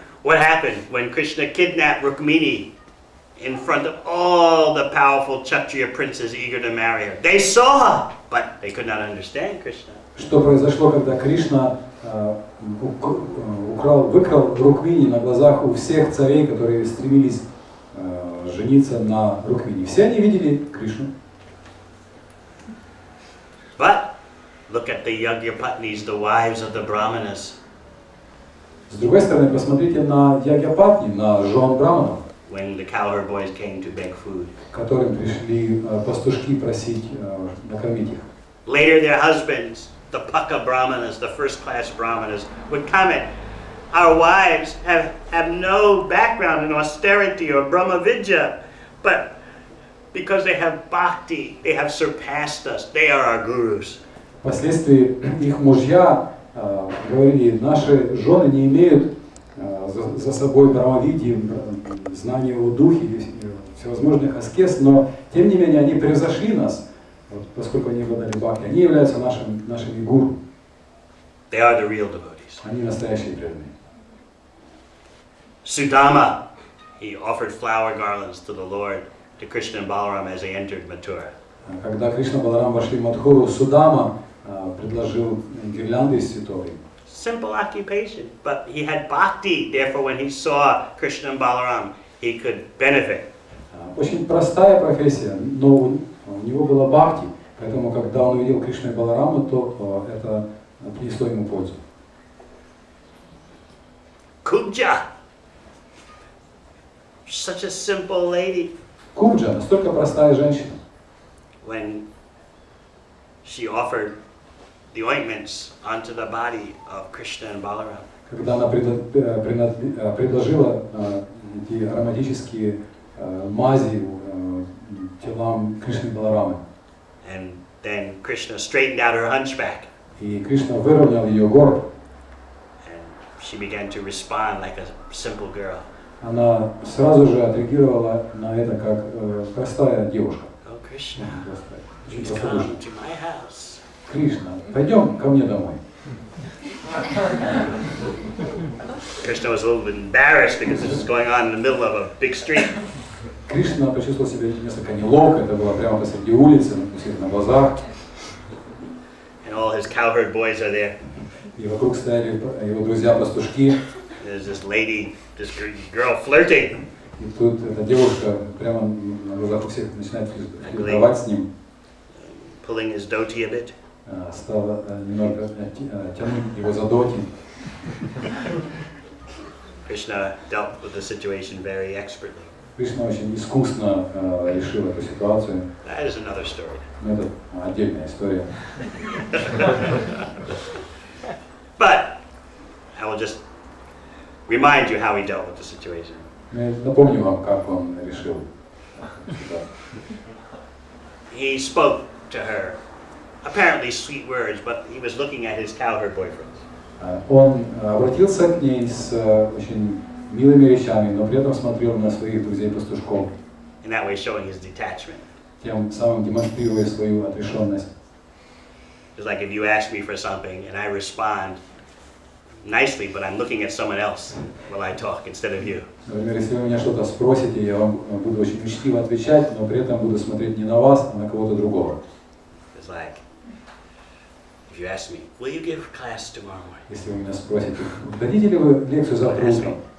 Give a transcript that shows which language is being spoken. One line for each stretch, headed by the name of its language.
English: What happened when Krishna kidnapped Rukmini in front of all the powerful Kshatriya princes eager to marry her? They saw, but they could not understand Krishna.
Russian: Что произошло, когда Кришна выкрал Рукмини на глазах у всех царей, которые стремились жениться на Рукмини? Все они видели Кришну.
English: But look at the Yagyapatnis, the wives of the brahmanas.
Russian: С другой стороны, посмотрите на Ягьяпатни, на жен брахманов.
English: When the cowherd boys came to beg food.
Russian: Которым пришли пастушки просить накормить их.
English: Later their husbands, the pukka brahmanas, the first class brahmanas, would comment, our wives have no background in austerity or brahmavidya, but because they have bhakti, they have surpassed us. They are our gurus.
Russian: Впоследствии их мужья говорили, наши жены не имеют за собой брамавидии, знания о духе и всевозможных аскез, но тем не менее они превзошли нас, вот, поскольку они обладали бхакти. Они являются нашими гуру.
English: They are the real devotees.
Russian: Они настоящие преданные.
English: Sudama, he offered flower garlands to the Lord, to Krishna and Balaram as they entered Mathura.
Russian: Когда Кришна и Баларам вошли в Матхуру, Судама предложил гирлянды из цветов.
English: Simple occupation, but he had bhakti, therefore when he saw Krishna and Balaram, he could benefit.
Russian: Очень простая профессия, но у него было бхакти, поэтому когда он увидел Кришну и Балараму, то это принесло ему пользу.
English: Кубджа, such a simple lady,
Russian: Куджа, настолько простая женщина.
English: When she offered the ointments onto the body of Krishna and Balaram.
Russian: Когда она предложила эти ароматические мази телам Кришны и Баларамы.
English: And then Krishna straightened out her hunchback.
Russian: И Кришна выровнял её горб.
English: And she began to respond like a simple girl.
Russian: Она сразу же отреагировала на это как простая девушка.
English: Oh, Krishna, please come to my house.
Russian: Кришна, пойдём ко мне домой.
English: Krishna was a little bit embarrassed because this was going on in the middle of a big street.
Russian: Кришна почувствовал себя несколько неловко, это было прямо посреди улицы, на всех на базарах.
English: And all his cowherd boys are there.
Russian: И вокруг стояли его друзья-пастушки.
English: There's this lady, this girl flirting.
Russian: И тут эта девушка прямо на глазах у всех начинает флиртовать с ним.
English: Pulling his dhoti a bit.
Russian: Стала немного тянуть его за дхоти.
English: Krishna dealt with the situation very expertly.
Russian: Кришна очень искусно решил эту ситуацию.
English: That is another story.
Russian: Это отдельная история.
English: But I will just remind you how he dealt with the situation.
Russian: Напомню вам, как он решил.
English: He spoke to her, apparently sweet words, but he was looking at his cowherd boyfriends.
Russian: Он обратился к ней с очень милыми вещами, но при этом смотрел на своих друзей-пастушков.
English: In that way showing his detachment.
Russian: Тем самым демонстрируя свою отрешенность.
English: It's like if you ask me for something and I respond nicely, but I'm looking at someone else while I talk instead of you.
Russian: Например, если вы меня что-то спросите, я вам буду очень учтиво отвечать, но при этом буду смотреть не на вас, а на кого-то другого.
English: It's like if you ask me, will you give class tomorrow morning?
Russian: Если вы меня спросите, дадите ли вы лекцию завтра утром?